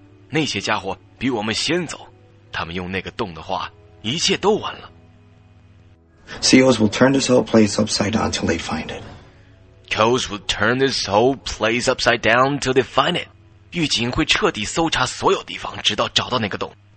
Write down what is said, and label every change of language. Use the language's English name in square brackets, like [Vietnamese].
[Chinese] 那些家伙比我们先走，他们用那个洞的话，一切都完了。 [English] COs will turn this whole place upside down till they find it. Coast will turn this whole place upside down till they find it. [Chinese] 狱警会彻底搜查所有地方，直到找到那个洞。